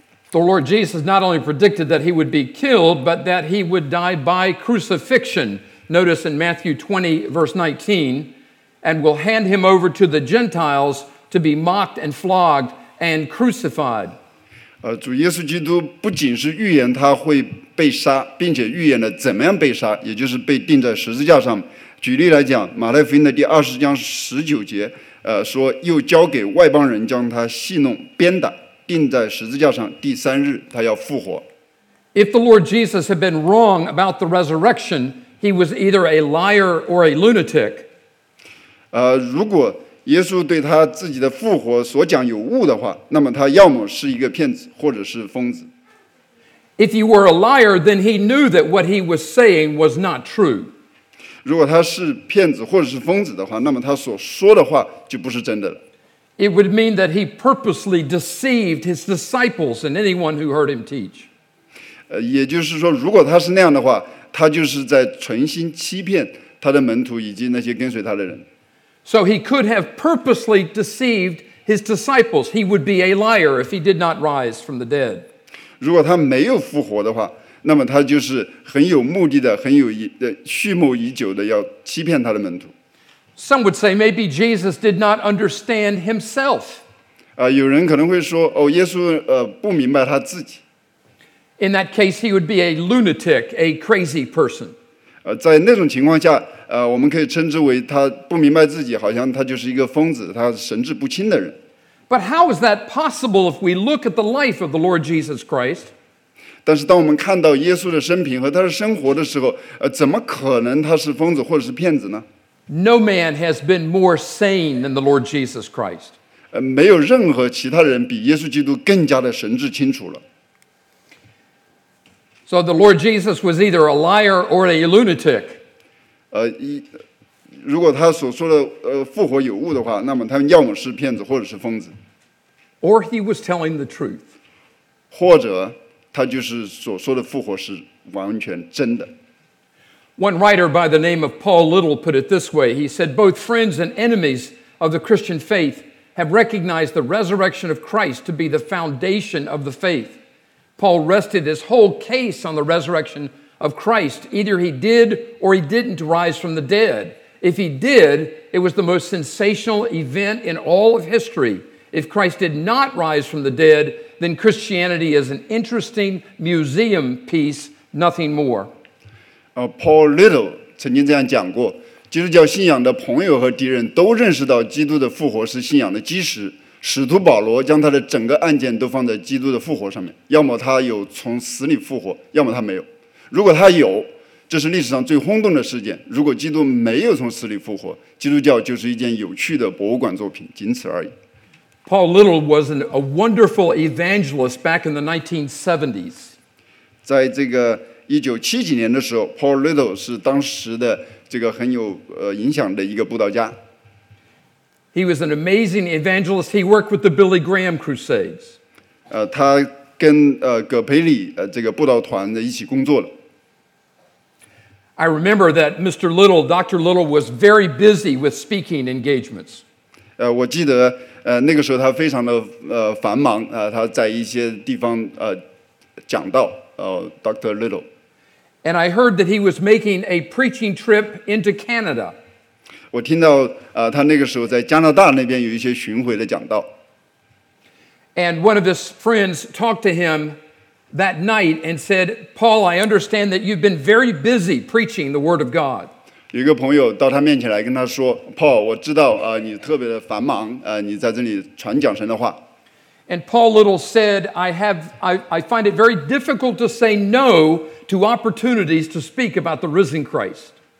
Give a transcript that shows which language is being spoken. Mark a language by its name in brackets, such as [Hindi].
[English] The Lord Jesus not only predicted that he would be killed, but that he would die by crucifixion. Notice in Matthew 20, verse 19, and will hand him over to the Gentiles to be mocked and flogged. And crucified. [Chinese] 主耶稣基督不仅是预言他会被杀，并且预言了怎么样被杀，也就是被钉在十字架上。举例来讲，马太福音的第二十章十九节，说又交给外邦人将他戏弄、鞭打，钉在十字架上，第三日他要复活。 [English] If the Lord Jesus had been wrong about the resurrection, he was either a liar or a lunatic. [Chinese] 如果耶稣对他自己的复活所讲有误的话，那么他要么是一个骗子，或者是疯子。 [English] If he were a liar, then he knew that what he was saying was not true. [Chinese] 如果他是骗子或者是疯子的话，那么他所说的话就不是真的了。 [English] It would mean that he purposely deceived his disciples and anyone who heard him teach. [Chinese] 也就是说，如果他是那样的话，他就是在存心欺骗他的门徒以及那些跟随他的人。 [English] So he could have purposely deceived his disciples. He would be a liar if he did not rise from the dead. [Chinese] 如果他没有复活的话，那么他就是很有目的的，很有蓄谋已久的要欺骗他的门徒。 [English] Some would say maybe Jesus did not understand himself. [Chinese] 有人可能会说，哦，耶稣不明白他自己。 [English] In that case, he would be a lunatic, a crazy person. [Chinese] 在那种情况下，我们可以称之为他不明白自己，好像他就是一个疯子，他神志不清的人。 [English] But how is that possible if we look at the life of the Lord Jesus Christ? [Chinese] 但是当我们看到耶稣的生平和他的生活的时候，怎么可能他是疯子或者是骗子呢？ [English] No man has been more sane than the Lord Jesus Christ. [Chinese] 没有任何其他人比耶稣基督更加的神志清楚了。 [English] So the Lord Jesus was either a liar or a lunatic. [Chinese] 如果他所说的复活有误的话，那么他要么是骗子或者是疯子。 [English] Or he was telling the truth. [Chinese] 或者他就是所说的复活是完全真的。 [English] One writer by the name of Paul Little put it this way. He said, both friends and enemies of the Christian faith have recognized the resurrection of Christ to be the foundation of the faith. Paul rested his whole case on the resurrection of Christ. Either he did or he didn't rise from the dead. If he did, it was the most sensational event in all of history. If Christ did not rise from the dead, then Christianity is an interesting museum piece, nothing more. [Chinese] Paul Little 曾经这样讲过，基督教信仰的朋友和敌人都认识到基督的复活是信仰的基石。使徒保罗将他的整个案件都放在基督的复活上面，要么他有从死里复活，要么他没有。如果他有，这是历史上最轰动的事件。如果基督没有从死里复活，基督教就是一件有趣的博物馆作品，仅此而已。 [English] Paul Little was a wonderful evangelist back in the 1970s. [Chinese] 在这个1970年的时候 ，Paul Little 是当时的这个很有影响的一个布道家。 [English] He was an amazing evangelist. He worked with the Billy Graham Crusades. [Chinese] 他跟葛培里这个布道团的一起工作了。 [English] I remember that Mr. Little, Dr. Little, was very busy with speaking engagements. [Chinese] 我记得那个时候他非常的繁忙他在一些地方讲道Dr. [English] Little. And I heard that he was making a preaching trip into Canada. [Chinese] 我听到他那个时候在加拿大那边有一些巡回的讲道。 [English] And one of his friends talked to him. That night, and said, "Paul, I understand that you've been very busy preaching the word of God." [Chinese] 有一个朋友到他面前来跟他说 ，Paul， 我知道你特别的繁忙你在这里传讲神的话。 [English] And Paul Little said, "I find it very difficult to say no to opportunities to speak about the risen Christ."